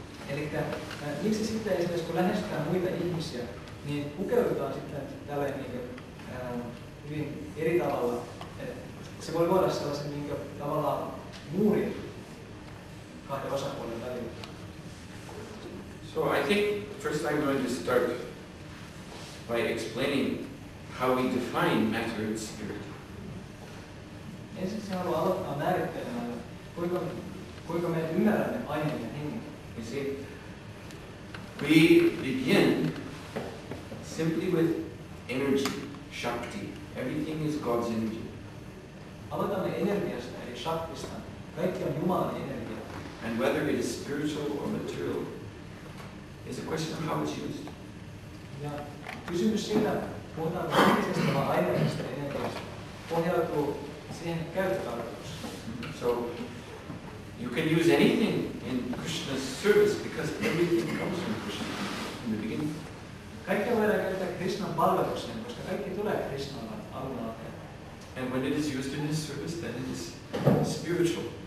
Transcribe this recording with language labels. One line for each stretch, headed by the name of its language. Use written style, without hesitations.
Finnish: Eli miksi sitten esimerkiksi kun lähestytään muita ihmisiä, niin pukeudutaan sitten tälleen niin kuin, hyvin eri tavalla. Se voi luoda sellaisen niin kuin, tavallaan muurin kahden osapuolen välillä.
English: So I think first I'm going to start by explaining how we define matter and spirit.
Finnish: Ensiksi haluan aloittaa määrittelemään, kuinka me ymmärrämme aineen ja hengen.
English: You see, we begin simply with energy, shakti. Everything is God's energy.
Finnish: Aloitamme energiasta, eli shaktista. Kaikki on Jumalan energia.
English: And whether it is spiritual or material is a question of how it's used.
Finnish: Ja kysymys siitä, puhutaan henkisestä vai aineellisesta energiasta, pohjautuu siihen käyttötarkoitukseen.
English: So, you can use anything in Krishna's service because everything comes from Krishna in the beginning.
Finnish: Kaikki voidaan käyttää Krishnan palvelukseen, koska kaikki tulee Krishnan alun alkaen.
English: And when it is used in his service, then it is spiritual.